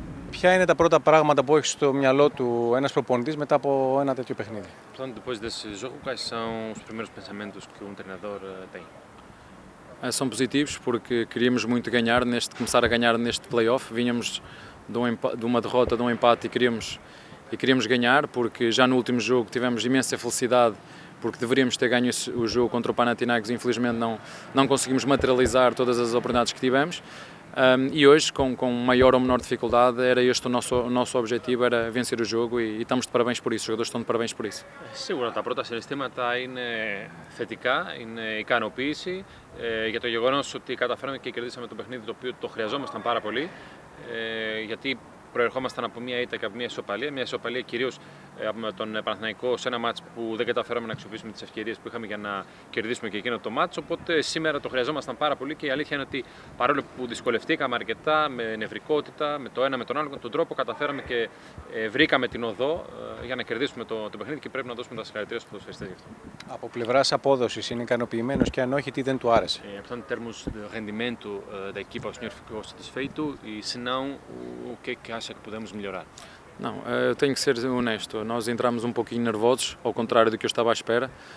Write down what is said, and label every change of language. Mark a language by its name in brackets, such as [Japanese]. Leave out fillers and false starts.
[Greek] Ποια είναι τα πρώτα πράγματα που έχει στο μυαλό του ένας προπονητής μετά από ένα τέτοιο παιχνίδι? [Portuguese] Portanto, depois desse jogo, quais são os primeiros pensamentos que treinador tem? São positivos, porque queríamos muito ganhar neste, começar a ganhar neste play-off. Vínhamos de um empate e queríamos ganhar, porque já no último jogo tivemos imensa felicidade, porque deveríamos ter ganho o jogo contra o Panathinaikos. Infelizmente não conseguimos materializar todas as oportunidades que tivemos. E hoje, com maior ou menor dificuldade, era este o nosso objetivo, era vencer o jogo, e estamos de parabéns por isso, os jogadores estão de parabéns por isso. Seguro, a pergunta sobre este tema está [Greek] θετικά, είναι ικανοποίηση για το γεγονός ότι καταφέραμε και κερδίσαμε το παιχνίδι το οποίο το χρειαζόμασταν πάρα πολύ, γιατί προερχόμασταν από μία ήττα και από μία ισοπαλία. Μία ισοπαλία κυρίως με τον Παναθηναϊκό σε ένα μάτς που δεν καταφέραμε να αξιοποιήσουμε τις ευκαιρίες που είχαμε για να κερδίσουμε και εκείνο το μάτς. Οπότε σήμερα το χρειαζόμασταν πάρα πολύ και η αλήθεια είναι ότι παρόλο που δυσκολευτήκαμε αρκετά με νευρικότητα, με το ένα με τον άλλο, με τον τρόπο καταφέραμε και βρήκαμε την οδό για να κερδίσουμε το παιχνίδι και πρέπει να δώσουμε τα συγχαρητήρια στους ποδοσφαιριστές γι' αυτό. Από πλευράς απόδοσης είναι ικανοποιημένος και αν όχι, τι δεν του άρεσε? [Portuguese] Em termos de rendimento da equipa, o senhor ficou satisfeito? E se não, o que é que acha que podemos melhorar? Não, eu tenho que ser honesto. Nós entramos um pouquinho nervosos, ao contrário do que eu estava à espera.